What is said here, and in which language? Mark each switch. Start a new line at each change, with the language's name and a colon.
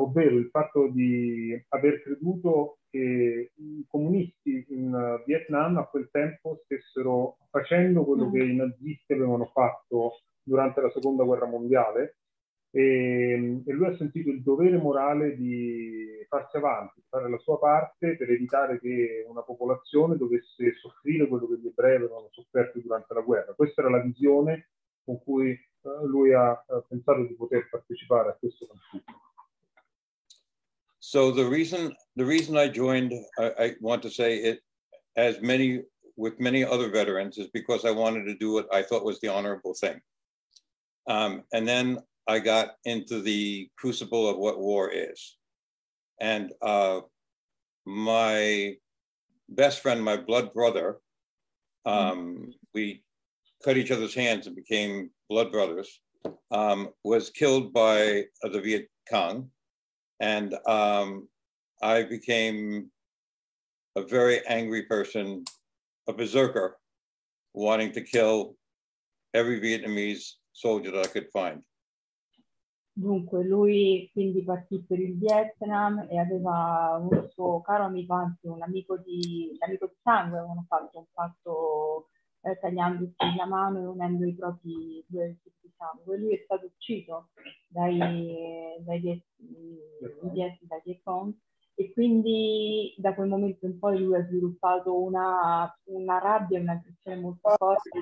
Italian: Ovvero il fatto di aver creduto che i comunisti in Vietnam a quel tempo stessero facendo quello che i nazisti avevano fatto durante la Seconda Guerra Mondiale. E lui ha sentito il dovere morale di farsi avanti, fare la sua parte per evitare che una popolazione dovesse soffrire quello che gli ebrei avevano sofferto durante la guerra. Questa era la visione con cui lui ha pensato di poter partecipare a questo conflitto.
English: So the reason I joined, I want to say it as many with many other veterans, is because I wanted to do what I thought was the honorable thing. And then I got into the crucible of what war is. And my best friend, my blood brother, we cut each other's hands and became blood brothers, was killed by the Viet Cong. And I became a very angry person, a berserker, wanting to kill every Vietnamese soldier that I could find.
Italian: Dunque, lui quindi partì per il Vietnam e aveva un suo caro amico, anzi un amico di sangue, avevano fatto un patto tagliandosi la mano e unendo i propri due di sangue. Lui è stato ucciso dai Viet Cong, e quindi da quel momento in poi lui ha sviluppato una rabbia, un'aggressione molto forte.